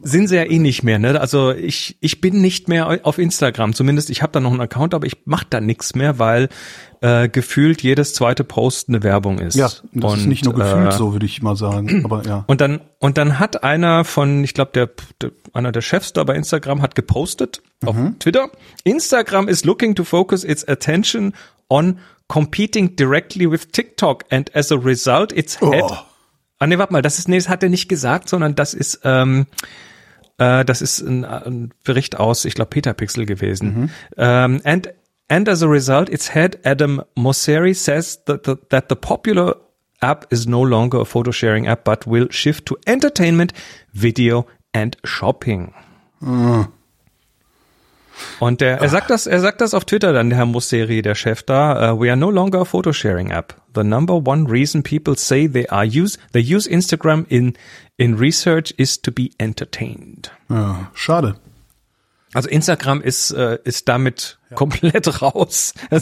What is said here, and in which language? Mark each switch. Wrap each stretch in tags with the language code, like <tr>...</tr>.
<de>Sind sie ja eh nicht mehr, ne? Also ich bin nicht mehr auf Instagram. Zumindest ich habe da noch einen Account, aber ich mache da nichts mehr, weil gefühlt jedes zweite Post eine Werbung ist. Ja, das ist nicht nur gefühlt so, würde ich mal sagen. Aber ja. Und dann hat einer von, ich glaube, einer der Chefs da bei Instagram hat gepostet auf Twitter.</de> <en>Instagram is looking to focus its attention on competing directly with TikTok and as a result it's head.</en> <de>Ah, nee, warte mal, das hat er nicht gesagt, sondern das ist ein Bericht aus, ich glaube, Petapixel gewesen.</de> <en>And as a result, its head Adam Mosseri says that the popular app is no longer a photo sharing app but will shift to entertainment, video and shopping.</en> <de>Und er sagt das auf Twitter dann, der Herr Mosseri, der Chef da,</de> <en>we are no longer a photo sharing app. The number one reason people say they use Instagram in research is to be entertained.</en> <de>Ja, schade. Also Instagram ist damit ja komplett raus.</de>